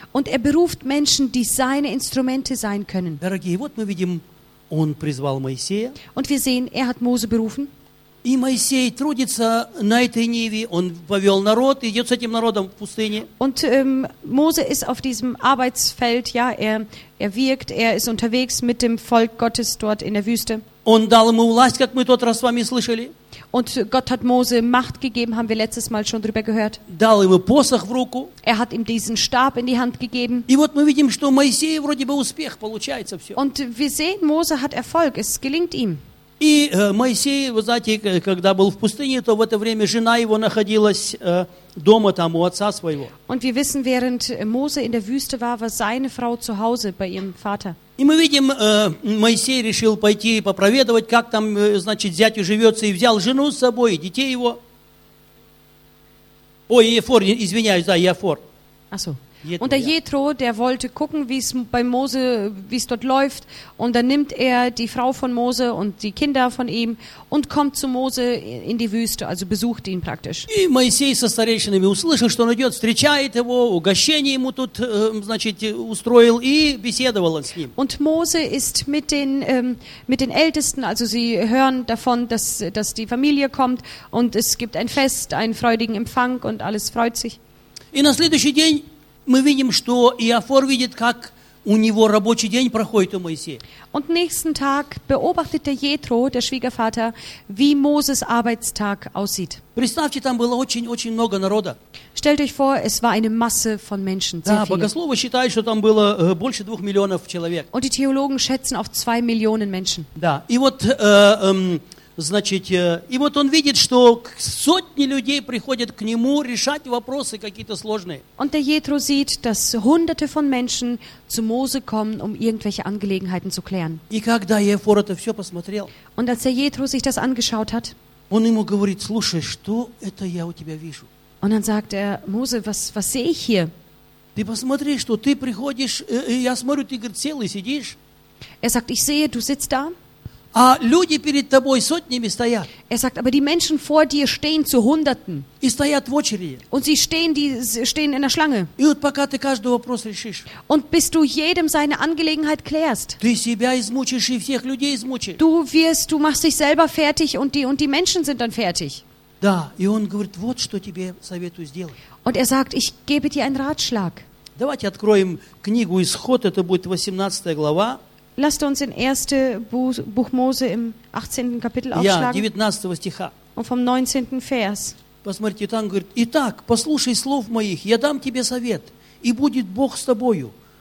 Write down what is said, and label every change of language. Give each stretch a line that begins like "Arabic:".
German: Und er beruft Menschen, die seine Instrumente sein können.
Russian: Дорогие, вот мы видим, он призвал Моисея.
German: Und wir sehen, er hat Mose berufen.
Russian: И Моисей трудится на этой ниве, он повел народ, идет с этим народом в пустыне.
German: Und Mose ist auf diesem Arbeitsfeld, ja, er wirkt, er ist unterwegs mit dem Volk Gottes dort in der Wüste.
Russian: Он дал ему власть, как мы тот раз с вами слышали.
German: Und Gott hat Mose Macht gegeben, haben wir letztes Mal schon drüber gehört.
Russian: Дал ему посох в руку.
German: Er hat ihm diesen Stab in die Hand gegeben.
Russian: И вот мы видим, что Моисей вроде бы успех получается все.
German: Und wir sehen, Mose hat Erfolg, es gelingt ihm.
Russian: И Моисей, вы знаете, когда был в пустыне, то в это время жена его находилась дома там у отца своего.
German: Und wir wissen, während Mose in der Wüste war, war seine Frau zu Hause bei ihrem Vater.
Russian: И мы видим, Моисей решил пойти попроведовать, как там, значит, зятю живется, и взял жену с собой, и детей его. Ой, Ефор, извиняюсь, да, Ефор.
German: Ach so. Und der Jethro, der wollte gucken, wie es bei Mose, wie es dort läuft. Und dann nimmt er die Frau von Mose und die Kinder von ihm und kommt zu Mose in die Wüste, also besucht ihn praktisch.
Russian: И Моисей со старейшинами услышал, что он идет, встречает его, угощение ему тут, значит, устроил и беседовал с ним.
German: Und Mose ist mit den Ältesten, also sie hören davon, dass die Familie kommt und es gibt ein Fest, einen freudigen Empfang und alles freut sich.
Russian: И на следующий день мы видим, что Иофор видит, как у него рабочий день проходит у Моисея.
German: Und nächsten Tag beobachtet der Jethro, der Schwiegervater, wie Moses Arbeitstag aussieht.
Russian: Представьте, там было очень-очень много народа.
German: Stellt euch vor, es war eine Masse von Menschen.
Russian: Да, богословы считают, что там было больше 2 миллионов человек.
German: Und die Theologen schätzen auf 2 Millionen Menschen.
Russian: Да, и вот значит, и вот он видит, что сотни людей приходят к нему решать вопросы какие-то сложные.
German: Und der Jethro sieht, dass hunderte von Menschen zu Mose kommen, um irgendwelche Angelegenheiten zu klären.
Russian: И когда Иофор это все посмотрел,
German: und als der Jethro sich das angeschaut hat,
Russian: он ему говорит: «Слушай, что это я у тебя вижу?»
German: Und dann sagt er: «Mose, was sehe ich hier?»
Russian: Ты посмотри, что ты приходишь, я смотрю, ты, говорит, целый сидишь.
German: Er sagt: «Ich sehe, du sitzt da».
Russian: А люди перед тобой сотнями стоят.
German: Er sagt, aber die Menschen vor dir stehen zu Hunderten.
Russian: И стоят в очереди.
German: Und sie stehen in der Schlange.
Russian: И вот пока ты каждый вопрос решишь.
German: Und bis du jedem seine Angelegenheit klärst.
Russian: Ты себя измучишь и всех людей измучишь.
German: Du machst dich selber fertig und die Menschen sind dann fertig.
Russian: Да, и он говорит: «Вот что тебе советую сделать».
German: Und er sagt: «Ich gebe dir einen Ratschlag».
Russian: Давайте откроем книгу Исход, это будет 18 глава.
German: Lasst uns in 1. Buch Mose im 18. Kapitel aufschlagen. Und vom 19. Vers.
Russian: Посмотрите, там говорит: «Итак, послушай слов моих, я дам тебе совет, и будет Бог с тобою.